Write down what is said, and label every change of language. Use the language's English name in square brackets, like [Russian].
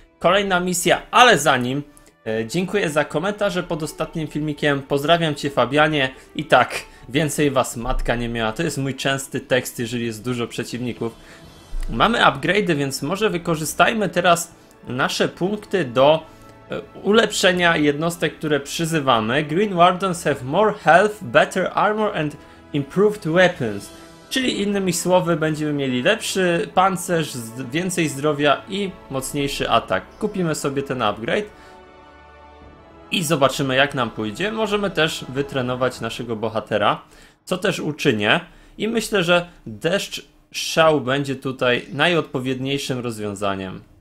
[Polish] Kolejna misja, ale zanim, dziękuję za komentarze pod ostatnim filmikiem. Pozdrawiam cię, Fabianie. I tak, więcej was matka nie miała. To jest mój częsty tekst, jeżeli jest dużo przeciwników. Mamy upgrade'y, więc może wykorzystajmy teraz nasze punkty do ulepszenia jednostek, które przyzywamy. [English] Green Wardens have more health, better armor and improved weapons. [Polish] Czyli innymi słowy, będziemy mieli lepszy pancerz, więcej zdrowia i mocniejszy atak. Kupimy sobie ten upgrade i zobaczymy, jak nam pójdzie. Możemy też wytrenować naszego bohatera, co też uczynię. I myślę, że deszcz szał będzie tutaj najodpowiedniejszym rozwiązaniem.